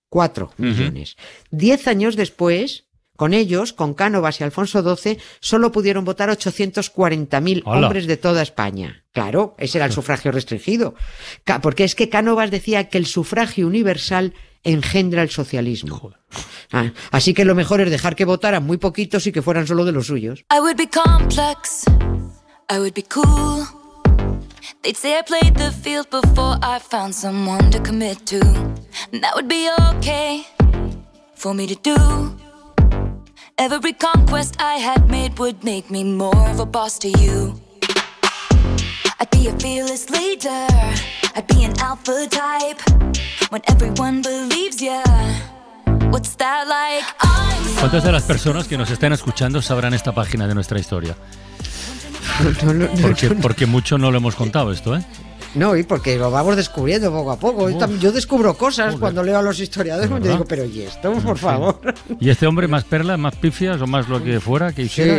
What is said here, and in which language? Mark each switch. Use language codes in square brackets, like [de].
[es] 4 millones. 10 años después, con ellos, con Cánovas y Alfonso XII, solo pudieron votar 840.000 hombres de toda España. Claro, ese era el sufragio restringido. Porque es que Cánovas decía que el sufragio universal engendra el socialismo. Así que lo mejor es dejar que votaran muy poquitos y que fueran solo de los suyos. [en] I would be complex, I would be cool. They'd say I played the field before I found someone to commit to. And that would be okay for me to do. Every conquest I had made would make me more of a boss to you. I'd be a fearless leader, I'd be an alpha type. When everyone believes ya, what's that like? [es] ¿Cuántas de las personas que nos están escuchando sabrán esta página de nuestra historia? Porque mucho no lo hemos contado esto, ¿eh? No, y porque lo vamos descubriendo poco a poco. Yo descubro cosas cuando leo a los historiadores y digo, pero ¿y esto? Por favor. ¿Y este hombre más perlas, más pifias o más lo que fuera que hiciera?